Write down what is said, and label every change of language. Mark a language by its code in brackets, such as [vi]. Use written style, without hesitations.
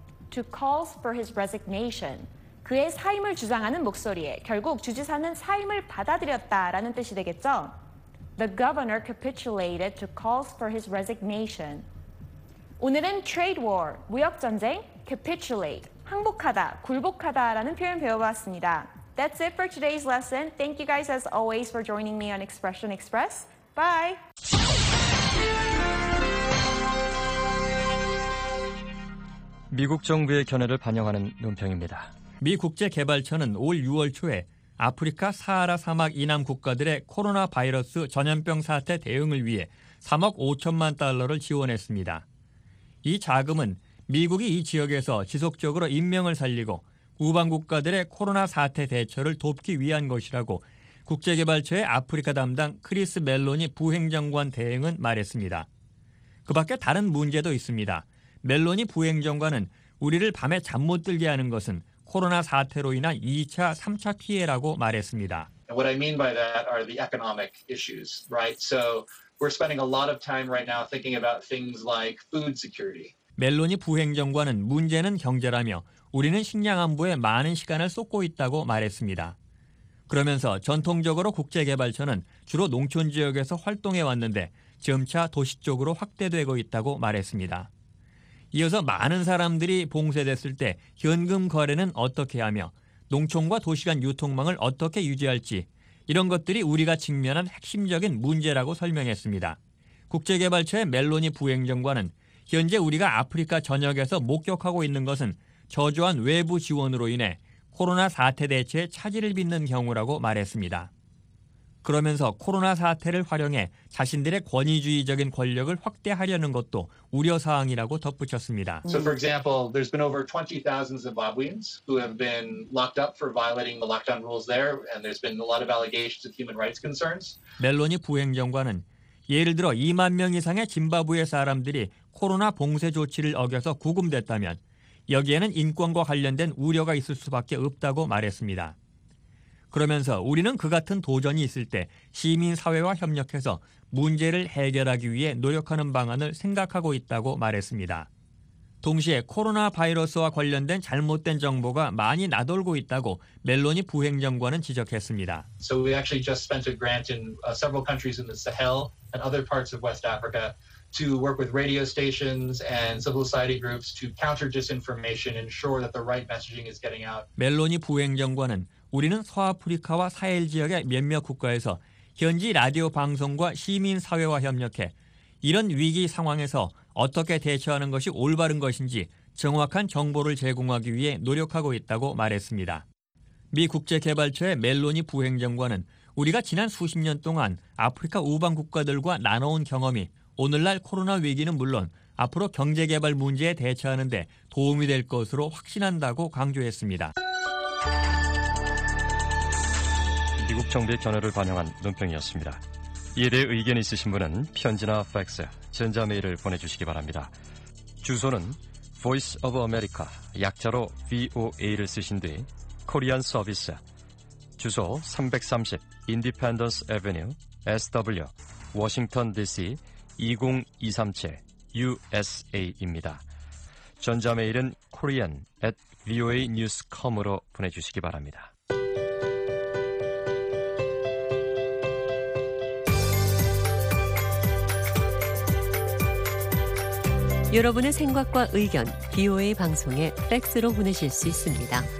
[en] To calls for his resignation. [ko] 그의 사임을 주장하는 목소리에 결국 주지사는 사임을 받아들였다라는 뜻이 되겠죠? [en] The governor capitulated to calls for his resignation. [ko] 오늘은 trade war, 무역 전쟁, capitulate, 항복하다, 굴복하다라는 표현 배워봤습니다. [en] That's it for today's lesson. Thank you guys as always for joining me on Expression Express. Bye! [ko] (목소리) 정부의 견해를 반영하는 논평입니다. 미 국제개발처는 올 6월 초에 아프리카 사하라 사막 이남 국가들의 코로나 바이러스 전염병 사태 대응을 위해 3억 5천만 달러를 지원했습니다. 이 자금은 미국이 이 지역에서 지속적으로 인명을 살리고 우방 국가들의 코로나 사태 대처를 돕기 위한 것이라고 국제개발처의 아프리카 담당 크리스 멜로니 부행정관 대행은 말했습니다. 그 밖에 다른 문제도 있습니다. 멜로니 부행정관은 우리를 밤에 잠 못 들게 하는 것은 코로나 사태로 인한 2차, 3차 피해라고 말했습니다. [en] What I mean by that are the economic issues, right? So we're spending a lot of time right now thinking about things like food security. [ko] 멜로니 부행정관은 문제는 경제라며 우리는 식량 안보에 많은 시간을 쏟고 있다고 말했습니다. 그러면서 전통적으로 국제개발처는 주로 농촌 지역에서 활동해 왔는데 점차 도시 쪽으로 확대되고 있다고 말했습니다. 이어서 많은 사람들이 봉쇄됐을 때 현금 거래는 어떻게 하며 농촌과 도시 간 유통망을 어떻게 유지할지 이런 것들이 우리가 직면한 핵심적인 문제라고 설명했습니다. 국제개발처의 멜로니 부행정관은 현재 우리가 아프리카 전역에서 목격하고 있는 것은 저조한 외부 지원으로 인해 코로나 사태 대처에 차질을 빚는 경우라고 말했습니다. 그러면서 코로나 사태를 활용해 자신들의 권위주의적인 권력을 확대하려는 것도 우려사항이라고 덧붙였습니다. [en] So for example, there's been over 20,000 Zimbabweans who have been locked up for violating the lockdown rules there, and there's been a lot of allegations of human rights concerns. [ko] 멜로니 부행정관은 예를 들어 2만 명 이상의 짐바브웨 사람들이 코로나 봉쇄 조치를 어겨서 구금됐다면 여기에는 인권과 관련된 우려가 있을 수밖에 없다고 말했습니다. 그러면서 우리는 그 같은 도전이 있을 때 시민사회와 협력해서 문제를 해결하기 위해 노력하는 방안을 생각하고 있다고 말했습니다. 동시에 코로나 바이러스와 관련된 잘못된 정보가 많이 나돌고 있다고 멜로니 부행정관은 지적했습니다. [en] So we actually just spent a grant in several countries in the Sahel and other parts of West Africa to work with radio stations and civil society groups to counter disinformation and ensure that the right messaging is getting out. [ko] 멜로니 부행정관은 우리는 서아프리카와 사헬 지역의 몇몇 국가에서 현지 라디오 방송과 시민 사회와 협력해 이런 위기 상황에서 어떻게 대처하는 것이 올바른 것인지 정확한 정보를 제공하기 위해 노력하고 있다고 말했습니다. 미 국제개발처의 멜로니 부행정관은 우리가 지난 수십 년 동안 아프리카 우방 국가들과 나눠온 경험이 오늘날 코로나 위기는 물론 앞으로 경제개발 문제에 대처하는 데 도움이 될 것으로 확신한다고 강조했습니다. 미국 정부의 견해를 반영한 논평이었습니다. 이에 대해 의견 있으신 분은 편지나 팩스, 전자메일을 보내주시기 바랍니다. 주소는 Voice of America, 약자로 VOA를 쓰신 뒤 Korean Service, 주소 330 Independence Avenue, SW, Washington DC 20237 USA입니다. 전자메일은 korean@voanews.com으로 보내주시기 바랍니다. 여러분의 생각과 의견, VOA 방송에 팩스로 보내실 수 있습니다.